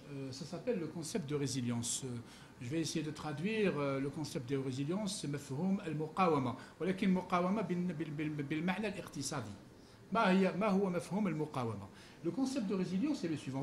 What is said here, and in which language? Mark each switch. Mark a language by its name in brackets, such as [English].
[French] Ça s'appelle le concept de résilience. Je vais essayer de traduire le concept de résilience. [Arabic] C'est مفهوم المقاومة. ولكن المقاومة بالمعنى الاقتصادي. ما هو مفهوم المقاومة؟ [French] Le concept de résilience est le suivant.